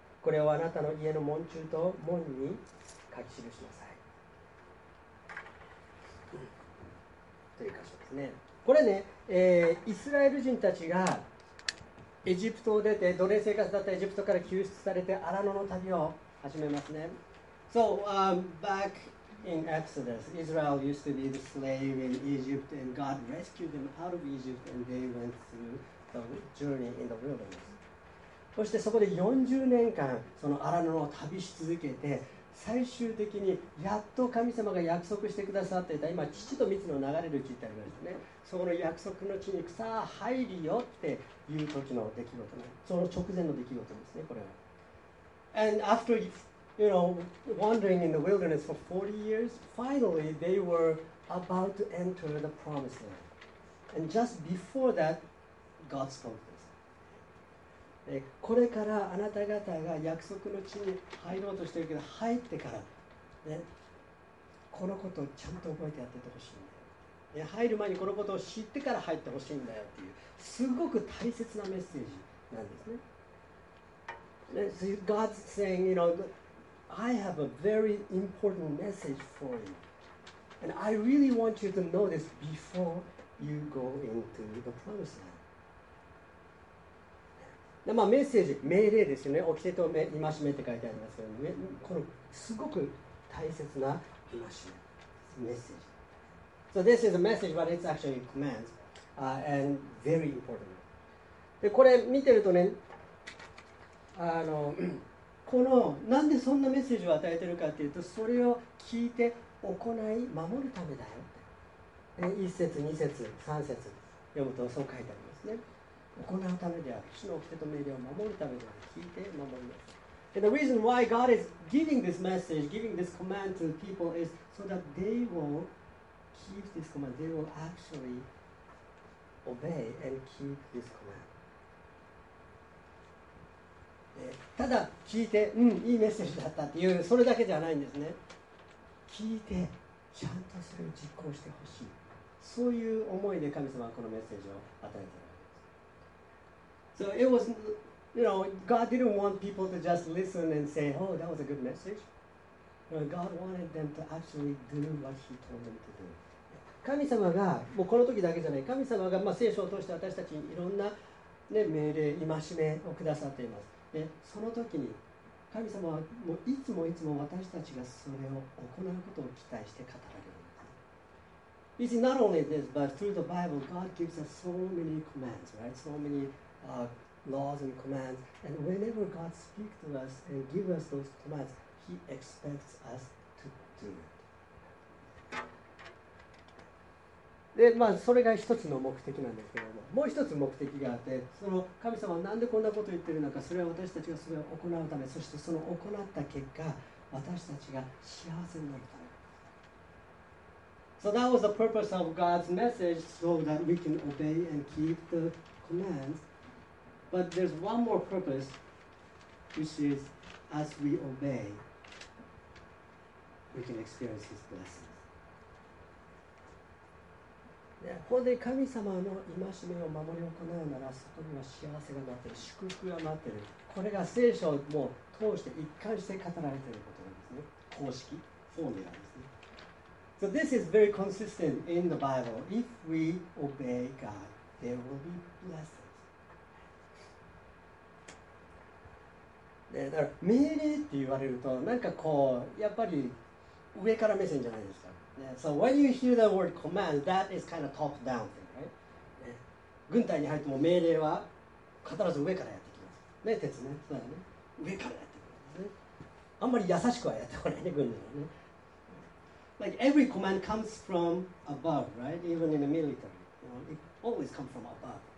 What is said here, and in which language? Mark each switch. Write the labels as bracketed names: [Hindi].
[Japanese] これをあなたの家の門中と門に書き記しなさい、うん、という箇所ですね。これね、イスラエル人たちがエジプトを出て、奴隷生活だったエジプトから救出されて、アラノの旅を始めますね。 [English] So, back in Exodus, Israel used to be the slave in Egypt, and God rescued them out of Egypt, and they went through the journey in the wilderness. [Japanese] そしてそこで40年間、そのアラノを旅し続けて、最終的にやっと神様が約束してくださっていた、今、父と蜜の流れる地ってありましたね。そこの約束の地に草入りよっていう時の出来事ね。その直前の出来事ですね、これは。 [English] And after, you know, wandering in the wilderness for 40 years, finally they were about to enter the promised land. And just before that, God spoke this. [Japanese] これからあなた方が約束の地に入ろうとしているけど、入ってから、ね、このことをちゃんと覚えてやっててほしいんだよ。入る前にこのことを知ってから入ってほしいんだよっていう、すごく大切なメッセージなんですね。 [English] God's saying, you know, I have a very important message for you. And I really want you to know this before you go into the promised land. [Japanese] まあ、メッセージ、命令ですよね。掟と戒めって書いてありますけど、このすごく大切な戒め、メッセージ。 [English] So this is a message, but it's actually a command, and very important. [Japanese] で、これ見てるとね、このなんでそんなメッセージを与えてるかっていうと、それを聞いて行い守るためだよって。 1節2節3節読むとそう書いてありますね。行うためである、主の掟と命令を守るためである、聞いて守ります。 [English] And the reason why God is giving this message, giving this command to people is so that they will keep this command, they will actually obey and keep this command。 [Japanese] ただ聞いて、うん、いいメッセージだったっていう、それだけじゃないんですね。聞いてちゃんとそれを実行してほしい、そういう思いで神様はこのメッセージを与えているわけです。 [English] So it was, you know, God didn't want people to just listen and say, oh, that was a good message. God wanted them to actually do what he told them to do. [Japanese] 神様がもうこの時だけじゃない、神様が、まあ、聖書を通して私たちにいろんな、ね、命令、戒めをくださっています。でその時に神様はもういつもいつも私たちがそれを行うことを期待して語られるんです。 [English] You see, not only this, but through the Bible, God gives us so many commands, right? So many laws and commands. And whenever God speaks to us and gives us those commands, He expects us to do it. [Japanese] で、まあ、それが一つの目的なんですけども、もう一つ目的があって、その神様はなんでこんなことを言ってるのか、それは私たちがそれを行うため、そしてその行った結果、私たちが幸せになるため。 [English] So that was the purpose of God's message, so that we can obey and keep the commands. But there's one more purpose, which is as we obey, we can experience His blessing. [Japanese] 本当に神様の戒めを守り行うなら、そこには幸せが待っている、祝福が待っている。これが聖書を通して一貫して語られていることなんですね。公式フォーミュラですね。 [English] So this is very consistent in the Bible. If we obey God, there will be blessings. [Japanese] だから命令って言われると、なんかこうやっぱり上から目線じゃないですか。 [English] Yeah, so when you hear the word command, that is kind of top down thing, right? Yeah. [Japanese] 軍隊に入っても命令は必ず上からやってきます。ね、鉄ね。そうだね。上からやってくるんですね。あんまり優しくはやってこないね、軍隊はね。 [English] Like every command comes from above, right? Even in the military. You know, it always comes from above.